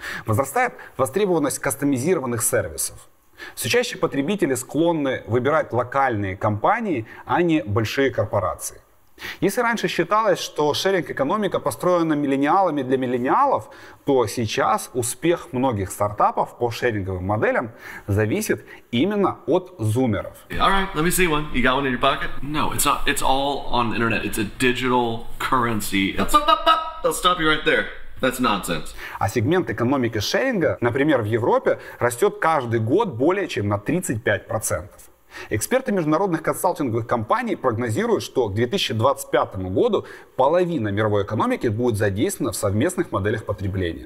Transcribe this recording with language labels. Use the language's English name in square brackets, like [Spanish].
[Russian] Возрастает востребованность кастомизированных сервисов. Все чаще потребители склонны выбирать локальные компании, а не большие корпорации. Если раньше считалось, что шеринг-экономика построена миллениалами для миллениалов, то сейчас успех многих стартапов по шеринговым моделям зависит именно от зумеров. [English] All right, let me see one. You got one in your pocket? No, it's not, it's all on the internet. It's a digital currency. I'll stop you right there. That's nonsense. [Russian] А сегмент экономики шеринга, например, в Европе, растет каждый год более чем на 35%. Эксперты международных консалтинговых компаний прогнозируют, что к 2025 году половина мировой экономики будет задействована в совместных моделях потребления.